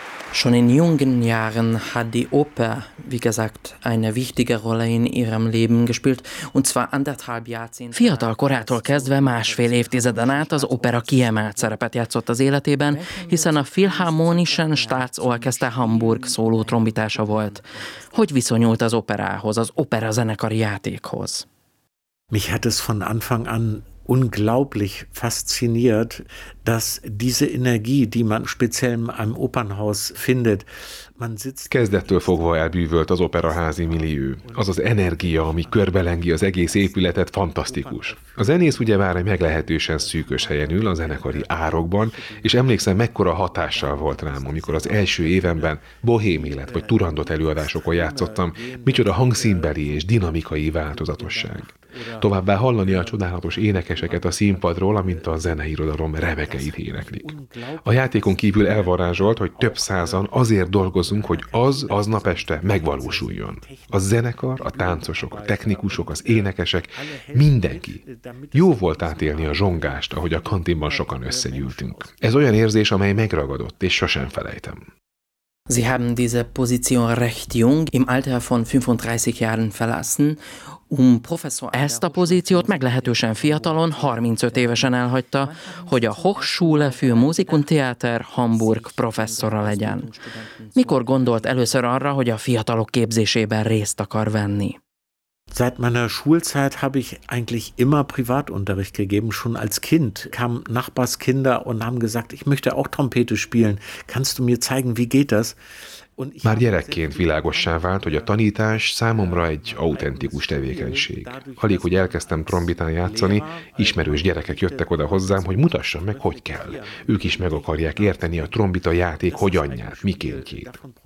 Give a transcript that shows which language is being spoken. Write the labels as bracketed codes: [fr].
[de] Schon in jungen Jahren hat die Oper, wie gesagt, eine wichtige Rolle in ihrem Leben gespielt, und zwar anderthalb Jahrzehnt. [hu] Fiatal korától kezdve másfél évtizeden át az opera kiemelt szerepet játszott az életében, hiszen a Philharmonischen Staatsorchester Hamburg szóló trombitása volt. Hogy viszonyult az operához, az opera zenekari játékhoz? Mich hat es von Anfang an unglaublich fasziniert, dass diese Energie, die man speziell in einem Opernhaus findet, man sitzt. Kezdettől fogva elbűvölt az operaházi millió. Az az energia, ami körbelengi az egész épületet, fantasztikus. A zenész ugyebár egy meglehetősen szűkös helyen ül a zenekari árokban, és emlékszem, mekkora hatással volt rám, amikor az első évemben Bohém Élet vagy Turandot előadásokon játszottam, micsoda hangszínbeli és dinamikai változatosság. Továbbá hallani a csodálatos énekeseket a színpadról, amint a zeneirodalom remekeit éneklik. A játékon kívül elvarázsolt, hogy több százan azért dolgozunk, hogy az aznap este megvalósuljon. A zenekar, a táncosok, a technikusok, az énekesek, mindenki. Jó volt átélni a zsongást, ahogy a kantinban sokan összegyűltünk. Ez olyan érzés, amely megragadott, és sosem felejtem. [de] Sie haben diese Position recht jung, im Alter von 35 Jahren verlassen. [hu] Ezt a pozíciót meglehetősen fiatalon, 35 évesen elhagyta, hogy a Hochschule für Musik und Theater Hamburg professzora legyen. Mikor gondolt először arra, hogy a fiatalok képzésében részt akar venni? [de] Seit meiner Schulzeit habe ich eigentlich immer Privatunterricht gegeben, schon als Kind. Kamen Nachbarskinder und haben gesagt, ich möchte auch Trompete spielen. Kannst du mir zeigen, wie geht das? [hu] Már gyerekként világossá vált, hogy a tanítás számomra egy autentikus tevékenység. Alig, hogy elkezdtem trombitán játszani, ismerős gyerekek jöttek oda hozzám, hogy mutassam meg, hogy kell. Ők is meg akarják érteni a trombita játék hogyanját, mikéntjét.